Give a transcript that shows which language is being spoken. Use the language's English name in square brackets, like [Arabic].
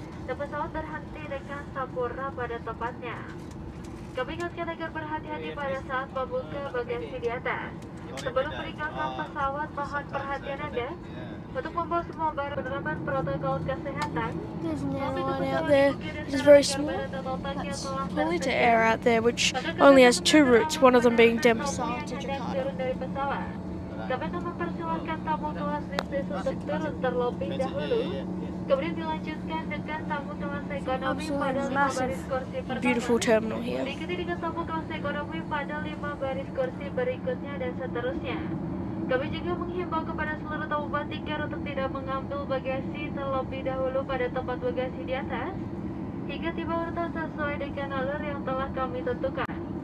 [Indonesian] Dan pesawat berhenti dengan sempurna pada tempatnya. Kami ingatkan agar berhati-hati pada saat membuka bagasi di atas. Sebelum meninggalkan pesawat, mohon perhatian Anda Untuk membawa semua barang penerapan protokol kesehatan. [English] There's no one out there. It is very small. That's polluted air out there, which only has two routes, one of them being Denpasar to Jakarta. [Indonesian] Kami akan mempersilahkan tamu kelas bisnis untuk turun terlebih dahulu. Kemudian dilanjutkan dengan tamu kelas ekonomi pada 5 baris kursi pertama. [English] Beautiful terminal here. [Indonesian] Diikuti dengan tamu kelas ekonomi pada 5 baris kursi berikutnya dan seterusnya. Kami juga menghimbau kepada seluruh tamu Batik untuk tidak mengambil bagasi terlebih dahulu pada tempat bagasi di atas hingga tiba urutan sesuai dengan alur yang telah kami tentukan.